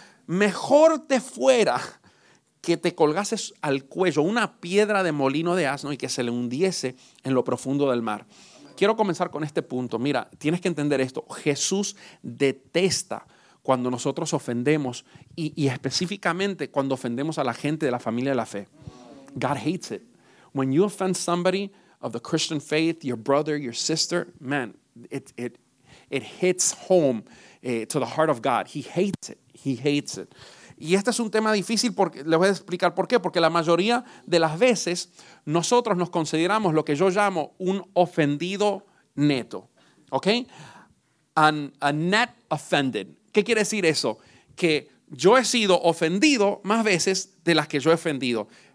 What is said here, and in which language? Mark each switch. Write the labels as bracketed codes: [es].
[es] Mejor te fuera que te colgases al cuello una piedra de molino de asno y que se le hundiese en lo profundo del mar. Quiero comenzar con este punto. Mira, tienes que entender esto. Jesús detesta cuando nosotros ofendemos y específicamente cuando ofendemos a la gente de la familia de la fe. [en] God hates it. When you offend somebody of the Christian faith, your brother, your sister, man, it hits home to the heart of God. He hates it. He hates it. [es] Y este es un tema difícil porque les voy a explicar por qué. Porque la mayoría de las veces nosotros nos consideramos lo que yo llamo un ofendido neto. ¿Ok? [en] A net offended. [es] ¿Qué quiere decir eso? Que yo he sido ofendido más veces de las que yo he ofendido.